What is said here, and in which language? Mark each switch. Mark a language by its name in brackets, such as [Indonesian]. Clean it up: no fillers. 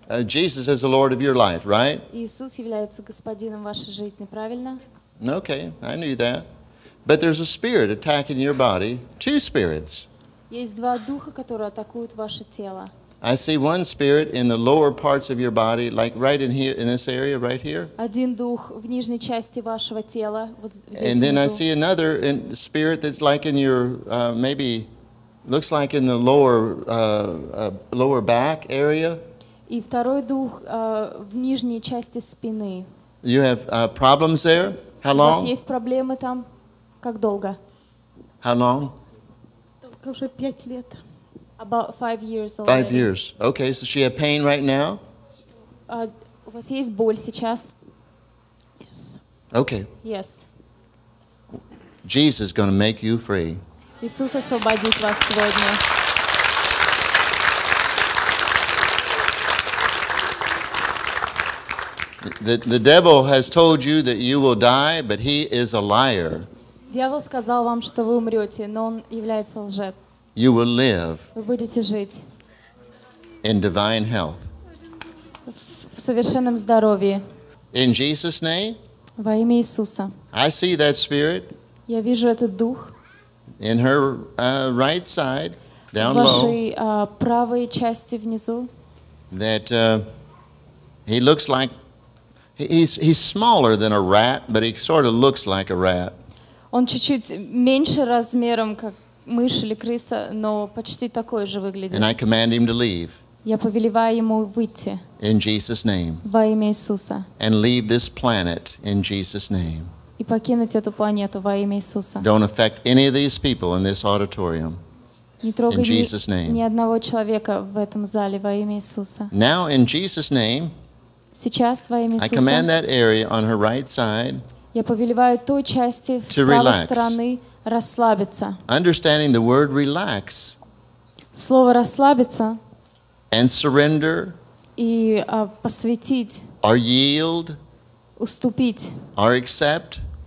[English] Jesus is the Lord of your life, right? [Russian] Иисус является господином вашей жизни, правильно? [English] Okay, I knew that. But there's a spirit attacking your body. Two spirits. [Russian] Есть два духа, которые атакуют ваше тело. [English] I see one spirit in the lower parts of your body, like right in here, in this area, right here. [Russian] Один дух в нижней части вашего тела. Вот здесь. [English] And then I see another in spirit that's like in your maybe looks like in the lower back area. [Russian] И второй дух в нижней части спины. [English] You have problems there? How long? [Russian] У вас есть проблемы там? Как долго? [English] How long? [Russian] Только уже 5 лет. [English] About 5 years already. 5 years. Okay, so she has pain right now? [Russian] У вас есть боль сейчас? [English] Yes. Okay. Yes. Jesus is going to make you free. [Russian] Иисус освободит вас сегодня. [English] The devil has told you that you will die, but he is a liar. [Russian] Дьявол сказал вам, что вы умрете, но он является лжец. [English] You will live. [Russian] Вы будете жить. [English] In divine health. [Russian] В совершенном здоровье. [English] In Jesus' name. [Russian] Во имя Иисуса. [English] I see that spirit. [Russian] Я вижу этот дух. [English] In her right side, down [Russian] low. В вашей правой части внизу. [English] That he looks like he's smaller than a rat, but he sort of looks like a rat. [Russian] Он чуть-чуть меньше размером, как мышь или крыса, но почти такой же выглядит. [English] And I command him to leave. [Russian] Я повелеваю ему выйти. [English] In Jesus' name. [Russian] Во имя Иисуса. [English] And leave this planet in Jesus' name. [Russian] И покинуть эту планету во имя Иисуса. [English] Don't affect any of these people in this auditorium. [Russian] Не трогай ни одного человека в этом зале во имя Иисуса. [English] Now in Jesus' name. [Russian] Сейчас во имя Иисуса. [English] I command that area on her right side. [Russian] Я повелеваю той части с правой стороны расслабиться. [English] Understanding the word relax. [Russian] Слово расслабиться. [English] And surrender. [Russian] И посвятить. [English] Or yield. [Russian] Уступить. [English] Or accept.